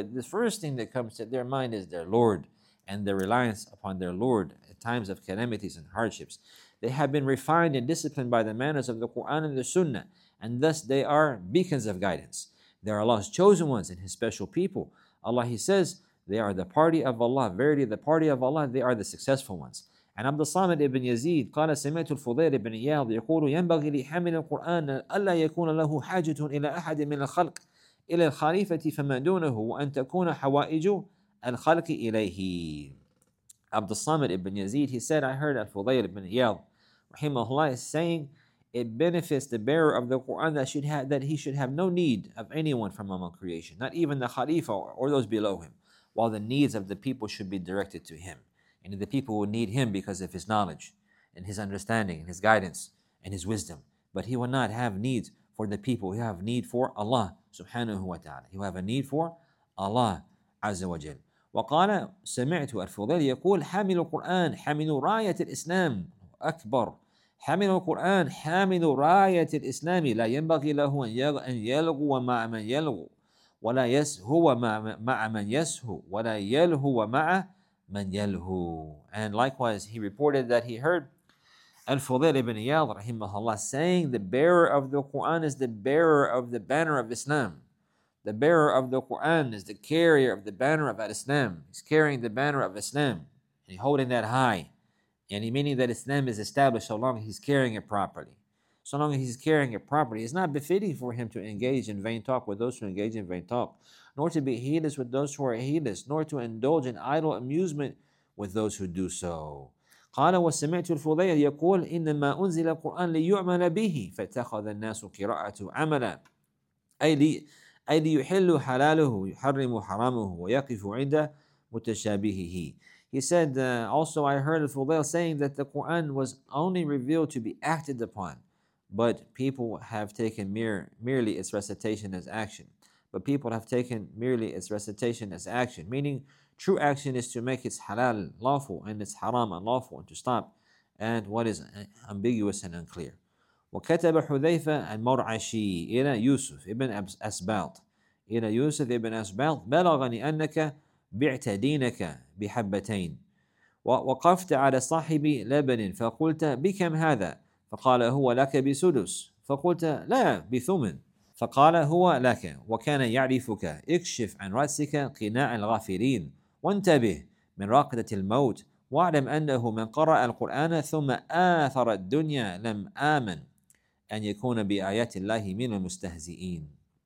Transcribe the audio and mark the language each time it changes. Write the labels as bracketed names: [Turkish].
[English] But the first thing that comes to their mind is their Lord and their reliance upon their Lord at times of calamities and hardships. They have been refined and disciplined by the manners of the Quran and the Sunnah, and thus they are beacons of guidance. They are Allah's chosen ones and His special people. Allah, He says, they are the party of Allah. Verily, the party of Allah, they are the successful ones. [Arabic] And Abdul Samad ibn Yazid, قال سمعت الفضيل ابن إياد يقول ينبغي لحامل القرآن ألا يكون له حاجة إلى أحد من الخلق إلى الخليفة فمن دونه وأن تكون حوائج الخلق إليه. [English] Abdul Samad ibn Yazid, he said, I heard al-Fudayl ibn Iyad, rahimahullah, is saying, it benefits the bearer of the Quran that he should have no need of anyone from among creation, not even the Khalifa or those below him, while the needs of the people should be directed to him. And the people will need him because of his knowledge and his understanding and his guidance and his wisdom. But he will not have need for the people. He'll have need for Allah subhanahu wa ta'ala. He will have a need for Allah azza wa jal. [Arabic] وقال سمعت الفضيل يقول حامل القرآن حامل راية الإسلام أكبر حامل القرآن حامل راية الإسلام لا ينبغي له أن يلغو مع من يلغو ولا يسهو مع من يسهو ولا يلهو مع من يلهو. [English] And likewise he reported that he heard الفضيل ابن إياد [Arabic] رحمه الله [English] saying the bearer of the Quran is the bearer of the banner of Islam. The bearer of the Quran is the carrier of the banner of Islam. He's carrying the banner of Islam. And he's holding that high. And he meaning that Islam is established so long as he's carrying it properly. So long as he's carrying it properly. It's not befitting for him to engage in vain talk with those who engage in vain talk, nor to be heedless with those who are heedless, nor to indulge in idle amusement with those who do so. [Arabic] قال وسمعت الفضيل يقول إنما أنزل القرآن ليعمل به فاتخذ الناس قراءة عملا أي لي أي ليحل حلاله يحرم حرامه ويقف عند متشابهه. [English] He said, also I heard Al-Fudayl saying that the Quran was only revealed to be acted upon, but people have taken merely its recitation as action. But people have taken merely its recitation as action, meaning true action is to make its halal lawful and its haram unlawful and to stop and what is ambiguous and unclear. [Arabic] وكتب حذيفة المرعشي إلى يوسف ابن أسبالط إلى يوسف ابن أسبالط بلغني أنك بعت دينك بحبتين وقفت على صاحب لبن فقلت بكم هذا فقال هو لك بسدس فقلت لا بثمن فقال هو لك وكان يعرفك اكشف عن رأسك قناع الغافلين وانتبه من راقدة الموت واعلم أنه من قرأ القرآن ثم آثر الدنيا لم آمن أن يكون بآيات الله من المستهزئين.